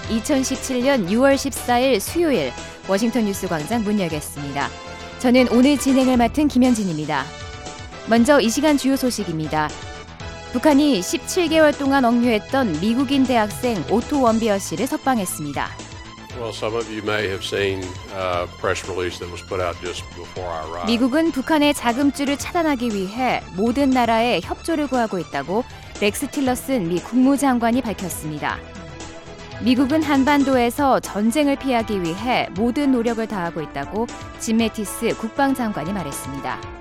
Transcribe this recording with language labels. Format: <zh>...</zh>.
<ko>2017년 6월 14일 수요일 워싱턴 뉴스 광장 문 열겠습니다. 저는 오늘 진행을 맡은 김현진입니다. 먼저 이 시간 주요 소식입니다. 북한이 17개월 동안 억류했던 미국인 대학생 오토 원비어 씨를 석방했습니다.</ko> <en>Well, some of you may have seen a press release that was put out just before I arrived.</en> <ko>미국은 북한의 자금줄을 차단하기 위해 모든 나라의 협조를 구하고 있다고 렉스 틸러슨 미 국무장관이 밝혔습니다. 미국은 한반도에서 전쟁을 피하기 위해 모든 노력을 다하고 있다고 짐 매티스 국방장관이 말했습니다.</ko>